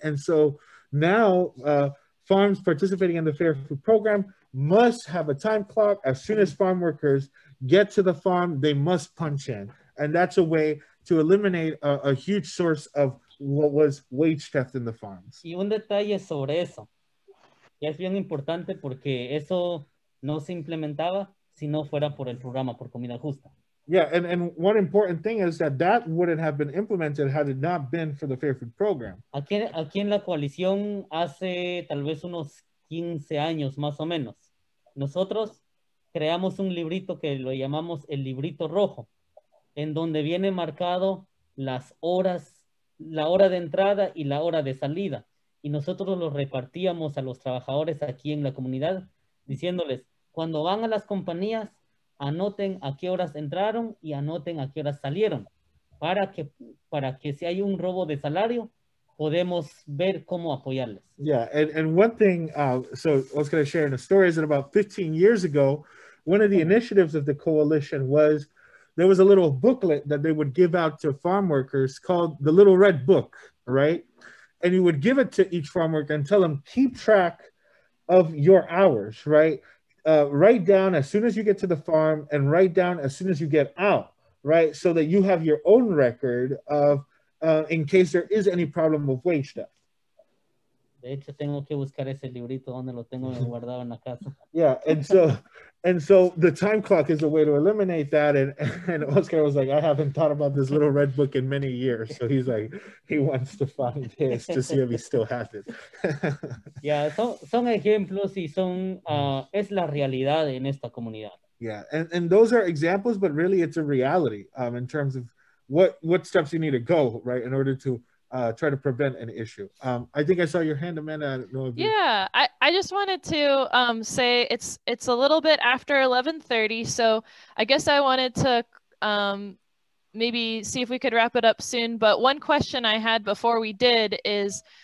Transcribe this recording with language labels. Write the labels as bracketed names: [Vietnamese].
[English] And so now farms participating in the Fair Food Program must have a time clock. As soon as farm workers get to the farm, they must punch in. And that's a way to eliminate a huge source of what was wage theft in the farms. [Spanish] Y un detalle sobre eso, que es bien importante porque eso no se implementaba si no fuera por el programa por comida justa. [English] Yeah, and one important thing is that wouldn't have been implemented had it not been for the Fair Food Program. [Spanish] Aquí en la coalición hace tal vez unos 15 años más o menos, nosotros creamos un librito que lo llamamos el librito rojo, en donde viene marcado las horas, la hora de entrada y la hora de salida. Y nosotros lo repartíamos a los trabajadores aquí en la comunidad, diciéndoles, cuando van a las compañías, anoten a qué horas entraron y anoten a qué horas salieron, para que si hay un robo de salario, podemos ver cómo apoyarles. [English] Yeah, and one thing, so I was going to share in a story, is that about 15 years ago, one of the initiatives of the coalition was, there was a little booklet that they would give out to farm workers called the Little Red Book, right? And you would give it to each farm worker and tell them, keep track of your hours, right? Write down as soon as you get to the farm and write down as soon as you get out, right? So that you have your own record of, in case there is any problem with wage theft. [Spanish] De hecho, tengo que buscar ese librito donde lo tengo guardado en la casa. [English] Yeah, and so the time clock is a way to eliminate that. And Oscar was like, I haven't thought about this little red book in many years. So he's like, he wants to find his to see if he still has it. [Spanish] Yeah, son ejemplos y son, es la realidad en esta comunidad. [English] Yeah, and those are examples, but really it's a reality in terms of what steps you need to go, right, in order to try to prevent an issue. I think I saw your hand, Amanda. I don't know if you... Yeah, I just wanted to say it's a little bit after 11:30, so I guess I wanted to maybe see if we could wrap it up soon. But one question I had before we did is,